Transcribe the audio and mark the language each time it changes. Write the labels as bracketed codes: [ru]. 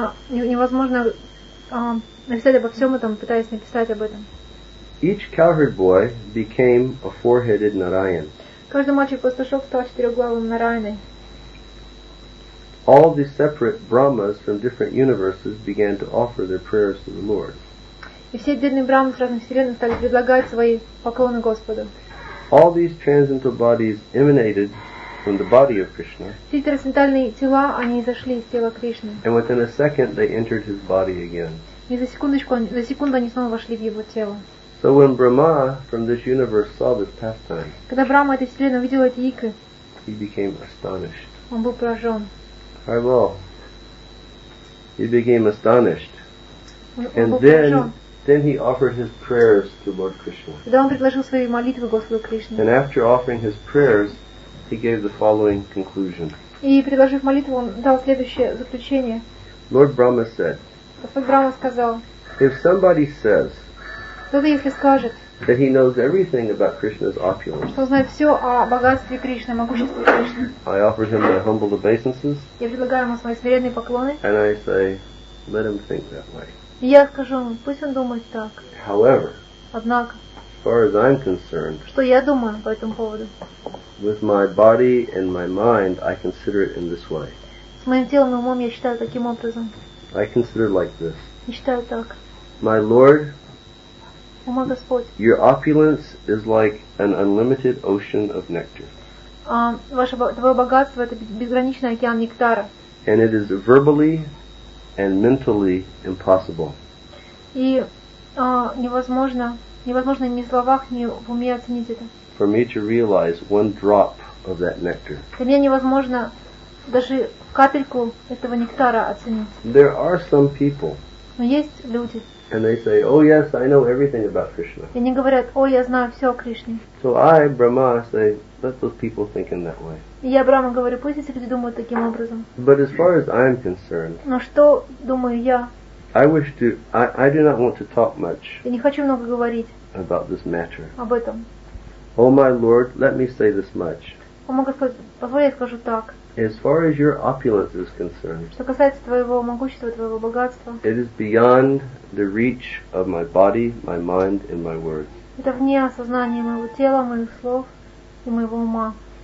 [ru] Невозможно написать обо всем этом, пытаясь написать об этом. [en] Each cowherd boy became a four-headed Narayan. [ru] Каждый мальчик-пастушок стал четырёхглавым Нараяной. [en] All the separate Brahmas from different universes began to offer their prayers to the Lord. [ru] И все отдельные Брахмы с разных вселенных стали предлагать свои поклоны Господу. [en] All these transcendental bodies emanated from the body of Krishna. [ru] Все трансцендентальные тела, они изошли из тела Кришны. [en] And within a second they entered his body again. [ru] И за секунду они снова вошли в его тело. [en] So when Brahma from this universe saw this pastime, [ru] когда Брахма этой вселенной увидел эти игры, [en] he became astonished. [ru] Он был поражен. [en] Very well. He became astonished. And then he offered his prayers to Lord Krishna. [ru] Тогда он предложил свои молитвы Господу Кришне. [en] And after offering his prayers, he gave the following conclusion. [ru] И предложив молитву, он дал следующее заключение. [en] Lord Brahma said. [ru] Господь Брахма сказал. [en] If somebody says. [ru] Кто-то если скажет. [en] That he knows everything about Krishna's opulence. [ru] Что знает все о богатстве Кришны, могуществе Кришны. [en] I offer him my humble obeisances. [ru] Я предлагаю ему свои смиренные поклоны. [en] And I say, let him think that way. [ru] Я скажу ему, пусть он думает так. [en] However, [ru] однако, [en] as far as I'm concerned, [ru] что я думаю по этому поводу, [en] with my body and my mind, I consider it in this way. [ru] С моим телом и умом я считаю таким образом. [en] I consider it like this. [ru] Я считаю так. [en] My Lord, [ru] ума Господь, [en] your opulence is like an unlimited ocean of nectar. [ru] Твое богатство — это безграничный океан нектара. [en] And it is verbally and mentally impossible. [ru] И невозможно ни в словах, ни в уме оценить это. [en] For me to realize one drop of that nectar. [ru] Для меня невозможно даже капельку этого нектара оценить. [en] There are some people. [ru] Но есть люди. [en] And they say, "Oh yes, I know everything about Krishna." [ru] И они говорят, о, я знаю все о Кришне. [en] So I, Brahma, say, let those people think in that way. [ru] И я, Брахма, говорю, пусть эти люди думают таким образом. [en] But as far as I'm concerned. [ru] Но что думаю я? [en] I do not want to talk much. [ru] Я не хочу много говорить. [en] About this matter. [ru] Об этом. [en] Oh my Lord, let me say this much. [ru] О мой Господь, позволь я скажу так. [en] As far as your opulence is concerned, [ru] что касается твоего могущества, твоего богатства, [en] it is beyond the reach of my body, my mind, and my words. [ru] Это вне осознания моего тела, моих слов и моего ума.